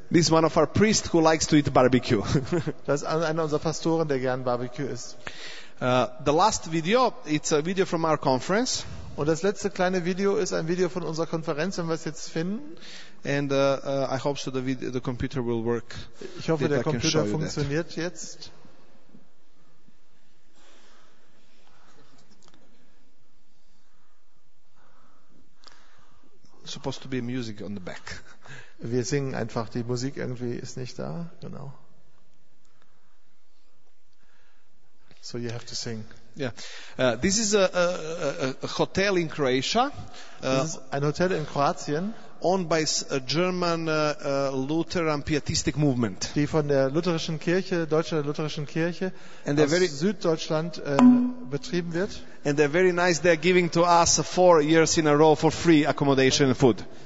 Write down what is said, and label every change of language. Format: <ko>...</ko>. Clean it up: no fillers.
<en>This is one of our priests who likes to eat barbecue.</en> <de>Das ist einer unserer Pastoren, der gern Barbecue isst.</de> <en>The last video, it's a video from our conference.</en> <de>Und das letzte kleine Video ist ein Video von unserer Konferenz, wenn wir es jetzt finden.</de> <en>And I hope so the computer will work.</en> <de>Ich hoffe, der Computer funktioniert jetzt.</de> <en>Supposed to be music on the back.</en> <de>Wir singen einfach, die Musik irgendwie ist nicht da, genau.</de> <en>So you have to sing. Yeah. This is a hotel in Croatia. This is</en> <de>ein Hotel in Kroatien.</de> <en>Owned by a German Lutheran Pietistic movement.</en> <de>Die von der lutherischen Kirche, deutscher lutherischen Kirche, and aus very, Süddeutschland betrieben wird.</de> <en>And they're very nice. They're giving to us 4 years in a row for free accommodation and food.</en>